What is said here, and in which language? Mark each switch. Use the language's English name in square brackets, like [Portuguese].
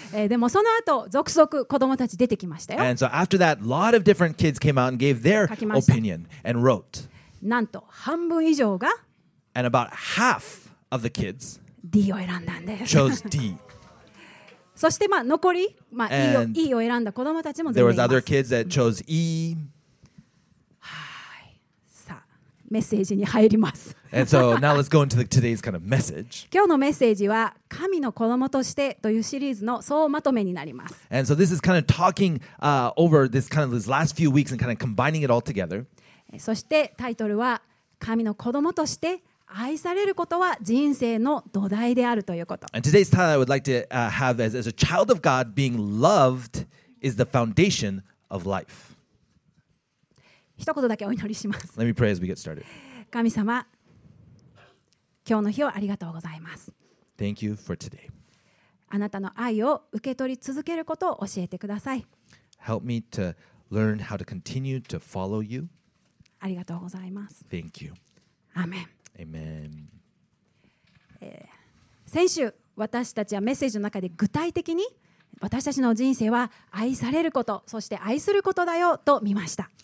[Japanese] でもその後続々子供たち出てきましたよ。 [English] And so after that, a lot of different kids came out and gave their opinion and wrote. [Japanese] なんと半分以上が [English] And about half of the kids [Japanese] D を選んだんです。 [English] chose D. [Japanese] そしてまあ残り、まあ、E を選んだ子供たちも全然います。 [English] There was other kids that chose E. [Japanese] はい。さあ、メッセージに入ります。 [English] And so now let's go into today's kind of message. [Japanese] 今日のメッセージは神の子供としてというシリーズの総まとめになります。 [English] And so this is kind of talking over this kind of these last few weeks and kind of combining it all together. [Japanese] そしてタイトルは神の子供として愛されることは人生の土台であるということ。 [English] And today's title I would like to have as a child of God, being loved is the foundation of life. [Japanese] 一言だけお祈りします。 [English] Let me pray as we get started. [Japanese] 神様、今日の日をありがとうございます。 [English] Thank you for today. [Japanese] あなたの愛を受け取り続けることを教えてください。 [English] Help me to learn how to continue to follow you. [Japanese] ありがとうございます。 [English] Thank you. [Japanese] アーメン。 [English] Amen. [Japanese] 先週私たちはメッセージの中で具体的に私たちの人生は愛されることそして愛することだよと見ました。